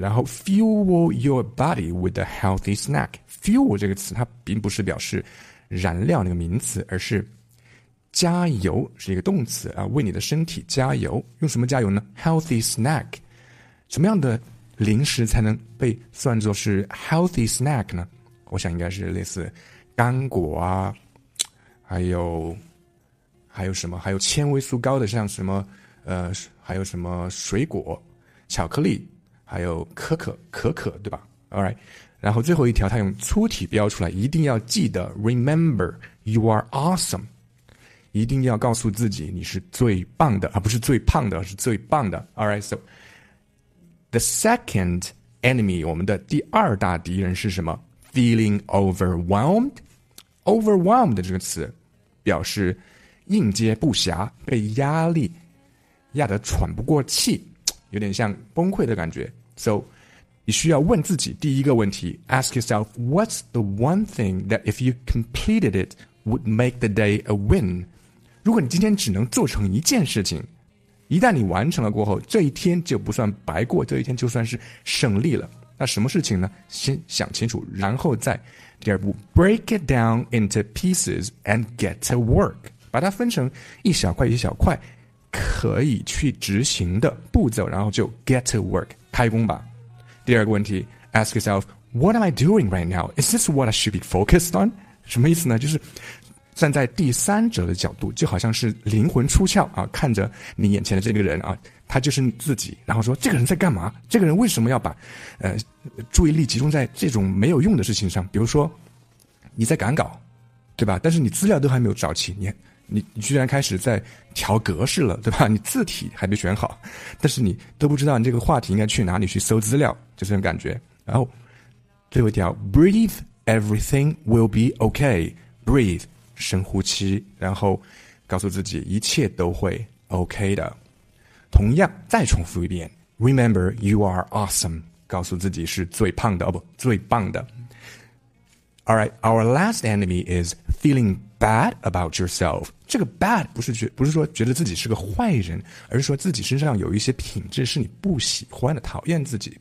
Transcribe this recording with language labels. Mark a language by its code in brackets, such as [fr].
[zh] 然后 [en] fuel your body with a healthy snack. [zh] Fuel 这个词它并不是表示燃料那个名词，而是加油，是一个动词啊，为你的身体加油。用什么加油呢？healthy snack. 什么样的零食才能被算作是 healthy snack 呢？我想应该是类似干果啊，还有什么，还有纤维素高的，像什么还有什么水果，巧克力，还有可可，对吧？ Alright, 然后最后一条他用粗体标出来，一定要记得 [en] Remember you are awesome, [zh] 一定要告诉自己你是最棒的，而不是最胖的，是最棒的。 [en] Alright, so the second enemy, [zh] 我们的第二大敌人是什么？ [en] feeling overwhelmed. [zh] Overwhelmed 这个词表示应接不暇，被压力压得喘不过气，有点像崩溃的感觉。 [en] So, [zh] 你需要问自己第一个问题， [en] Ask yourself, what's the one thing that if you completed it would make the day a win? [zh] 如果你今天只能做成一件事情，一旦你完成了过后，这一天就不算白过，这一天就算是胜利了。那什么事情呢？先想清楚，然后再第二步， [en] Break it down into pieces and get to work. [zh] 把它分成一小块一小块可以去执行的步骤，然后就 [en] get to work, [zh] 开工吧。第二个问题， [en] Ask yourself, what am I doing right now? Is this what I should be focused on? [zh] 什么意思呢？就是站在第三者的角度，就好像是灵魂出窍啊，看着你眼前的这个人啊，他就是你自己，然后说这个人在干嘛？这个人为什么要把注意力集中在这种没有用的事情上？比如说你在赶稿，对吧？但是你资料都还没有找齐，你居然开始在调格式了，对吧？你字体还没选好，但是你都不知道你这个话题应该去哪里去搜资料，就这种感觉。然后最后一条 [en] ，breathe, everything will be okay. Breathe. [zh] 深呼吸，然后告诉自己一切都会 OK 的。同样再重复一遍， [en] Remember you are awesome， [zh] 告诉自己是最胖的，哦不，最棒的。 [en] Alright, our last enemy is feeling bad about yourself. [zh] 这个 bad 不是说觉得自己是个坏人，而是说自己身上有一些品质是你不喜欢的，讨厌自己。